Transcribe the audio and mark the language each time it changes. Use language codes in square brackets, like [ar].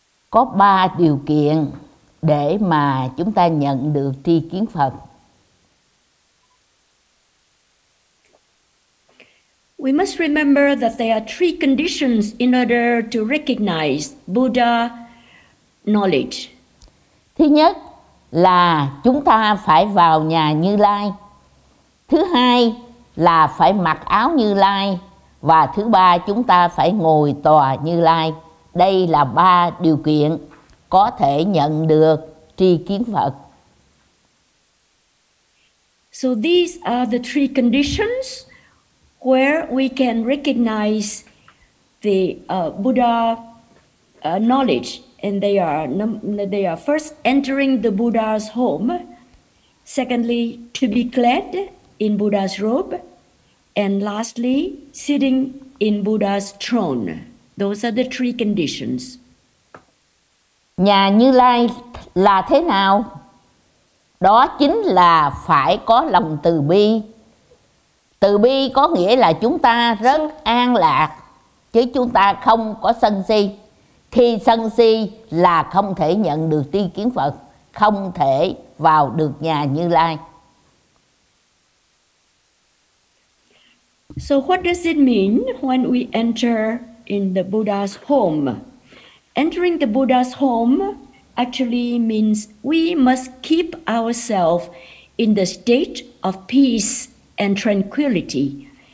[vi] có ba điều kiện để mà chúng ta nhận được tri kiến Phật. [en] We must remember that there are three conditions in order to recognize Buddha knowledge. [vi] Thứ nhất là chúng ta phải vào nhà Như Lai. Thứ hai là phải mặc áo Như Lai. Và thứ ba chúng ta phải ngồi tòa Như Lai. Đây là ba điều kiện có thể nhận được tri kiến Phật. [en] So these are the three conditions where we can recognize the Buddha knowledge, and they are first entering the Buddha's home, secondly to be clad in Buddha's robe, and lastly sitting in Buddha's throne. Those are the three conditions. [vi] Nhà Như Lai là thế nào? Đó chính là phải có lòng từ bi. Từ bi có nghĩa là chúng ta rất an lạc, chứ chúng ta không có sân si. Khi sân si là không thể nhận được tri kiến Phật, không thể vào được nhà Như Lai. [en] So what does it mean when we enter in the Buddha's home? Entering the Buddha's home actually means we must keep ourselves in the state of peace and tranquility.